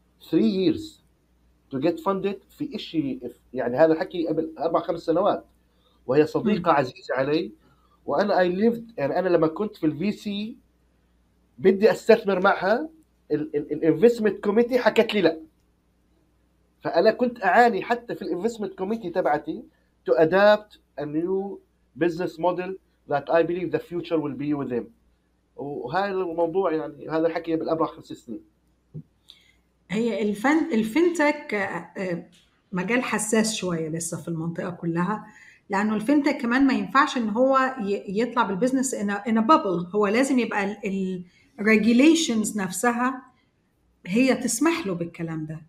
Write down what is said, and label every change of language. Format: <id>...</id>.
<en>3 years to get funded</en> <ar>في شيء، يعني هذا الحكي قبل 4-5 سنوات، وهي صديقه عزيزه علي. وانا</ar> <en>I lived,</en> <ar>يعني انا لما كنت في الفي سي بدي استثمر معها، الانفستمنت كوميتي حكت لي لا. فأنا كنت أعاني حتى في الانفستمنت كوميتي تبعتي</ar> <en>to adapt a new business model that I believe the future will be with them.</en> <ar>وهذا الموضوع، يعني هذا الحكي بالأربع 5 سنين. هي الفنتك مجال حساس شوية لسه في المنطقة كلها، لأنه الفنتك كمان ما ينفعش إن هو يطلع بالبزنس</ar> <en>in a bubble.</en> <ar>هو لازم يبقى ال regulations نفسها هي تسمح له بالكلام ده.</ar>